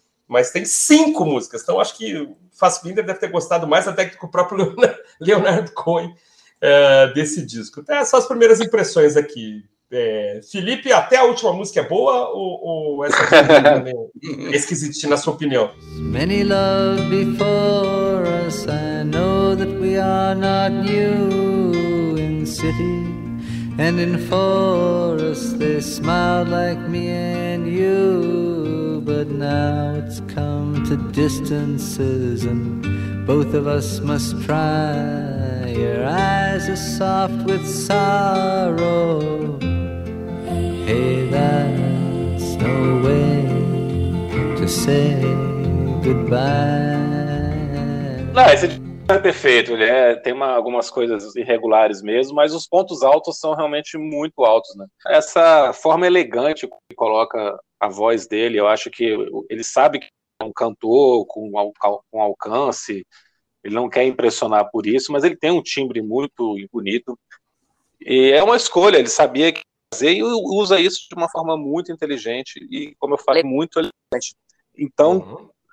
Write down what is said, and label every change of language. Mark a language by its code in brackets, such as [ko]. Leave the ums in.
[pt] Mas tem cinco músicas, então acho que o Fassbinder deve ter gostado mais até que o próprio Leonard Cohen é, desse disco. É, só as primeiras impressões aqui. É, Felipe, até a última música é boa ou, ou essa também é esquisitinha na sua opinião? [en] Many love before us, I know that we are not new in city and in forest they smiled like me and you, but now it's come to distances and both of us must try. Your eyes are soft with sorrow. Hey, that's no way to say goodbye. [pt] Não, esse é perfeito, ele é, tem uma, algumas coisas irregulares mesmo, mas os pontos altos são realmente muito altos, né? Essa forma elegante que coloca a voz dele, eu acho que ele sabe que é um cantor com, com alcance, ele não quer impressionar por isso, mas ele tem um timbre muito bonito, e é uma escolha, ele sabia que fazer e usa isso de uma forma muito inteligente e, como eu falei, muito elegante. Então, uhum.